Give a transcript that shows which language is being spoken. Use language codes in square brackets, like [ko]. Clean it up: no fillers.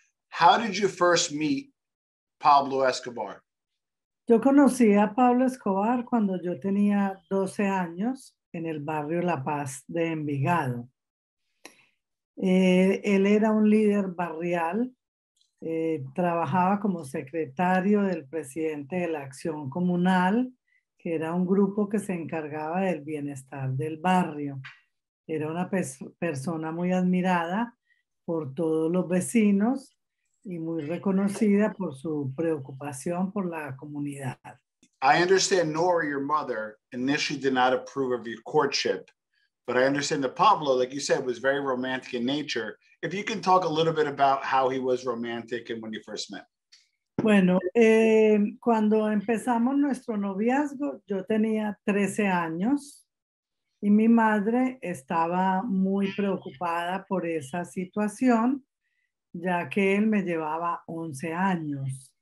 [en] How did you first meet Pablo Escobar? [es] Yo conocí a Pablo Escobar cuando yo tenía 12 años en el barrio La Paz de Envigado. Él era un líder barrial. Trabajaba como secretario del presidente de la Acción Comunal, que era un grupo que se encargaba del bienestar del barrio. Era una persona muy admirada por todos los vecinos y muy reconocida por su preocupación por la comunidad. [en] I understand Nora, your mother, initially did not approve of your courtship, but I understand that Pablo, like you said, was very romantic in nature. If you can talk a little bit about how he was romantic and when you first met. [es] Bueno, cuando empezamos nuestro noviazgo, yo tenía 13 años y mi madre estaba muy preocupada por esa situación, ya que él me llevaba 11 años.